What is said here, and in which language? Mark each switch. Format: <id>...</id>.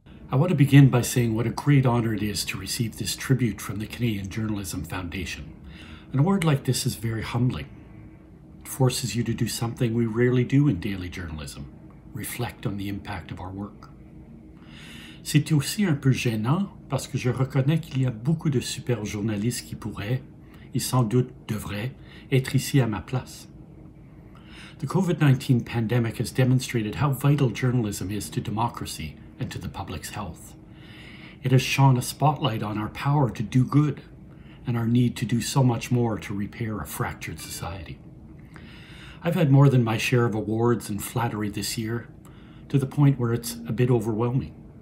<en>I want to begin by saying what a great honor it is to receive this tribute from the Canadian Journalism Foundation. An award like this is very humbling. It forces you to do something we rarely do in daily journalism, reflect on the impact of our work.</en> <fr>C'est aussi un peu gênant parce que je reconnais qu'il y a beaucoup de super journalistes qui pourraient, et sans doute devraient, être ici à ma place.</fr> <en>The COVID-19 pandemic has demonstrated how vital journalism is to democracy and to the public's health. It has shone a spotlight on our power to do good and our need to do so much more to repair a fractured society. I've had more than my share of awards and flattery this year, to the point where it's a bit overwhelming.</en>